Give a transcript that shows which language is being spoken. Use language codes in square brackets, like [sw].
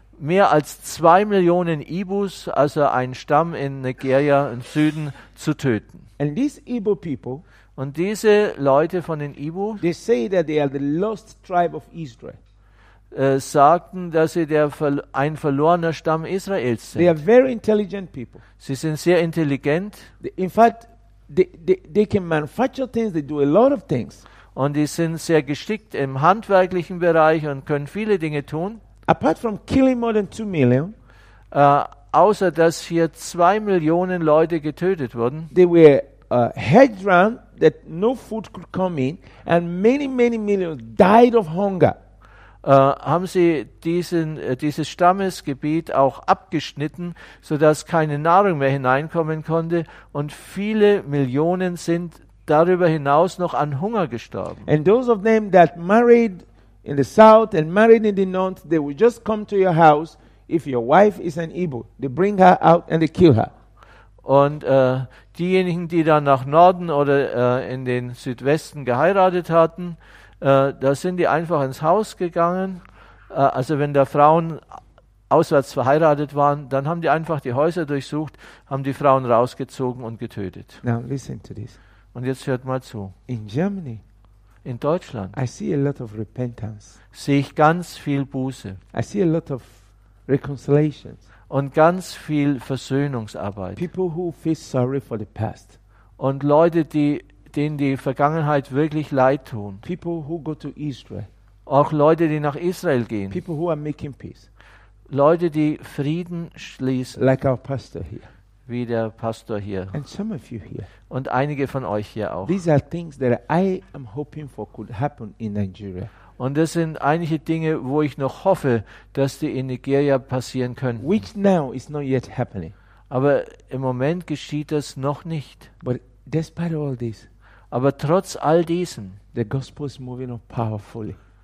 [de] Mehr als 2 Millionen Igbos, also ein Stamm in Nigeria im Süden, zu töten. [en] And these Igbo people, [de] und diese Leute von den Igbo, [en] they say that they are the lost tribe of Israel. [de] Sagten, dass sie ein verlorener Stamm Israels sind. [en] They are very intelligent people. [de] Sie sind sehr intelligent. [en] In fact, they can manufacture things. They do a lot of things. [de] Und sie sind sehr geschickt im handwerklichen Bereich und können viele Dinge tun. [en] Apart from killing more than 2 million, [de] außer dass hier 2 Millionen Leute getötet wurden, [en] they were hedged around that no food could come in, and many, many millions died of hunger. [de] Haben sie dieses Stammesgebiet auch abgeschnitten, sodass keine Nahrung mehr hineinkommen konnte, und viele Millionen sind darüber hinaus noch an Hunger gestorben. [en] And those of them that married in the south and married in the north, they will just come to your house if your wife is an Igbo. They bring her out and they kill her. [de] Und diejenigen, die dann nach Norden oder in den Südwesten geheiratet hatten, da sind die einfach ins Haus gegangen. Also wenn da Frauen auswärts verheiratet waren, dann haben die einfach die Häuser durchsucht, haben die Frauen rausgezogen und getötet. [en] Now listen to this. [de] Und jetzt hört mal zu. [en] In Germany, [de] in Deutschland, [en] I see a lot of repentance. [de] Sehe ich ganz viel Buße. [en] I see a lot of reconciliations. [de] Und ganz viel Versöhnungsarbeit. [en] People who feel sorry for the past. [de] Und Leute, denen die Vergangenheit wirklich leid tun. [en] People who go to Israel. [de] Auch Leute, die nach Israel gehen. [en] People who are making peace. [de] Leute, die Frieden schließen. [en] Like our pastor here. [de] Wie der Pastor hier. [en] And some of you here. [de] Und einige von euch hier auch. [en] These are things that I am hoping for could happen in Nigeria. [de] Und das sind einige Dinge, wo ich noch hoffe, dass die in Nigeria passieren können. [en] Which now is not yet happening. [de] Aber im Moment geschieht das noch nicht. [en] But despite all this, [de] aber trotz all diesem, [en] the gospel is moving on powerfully.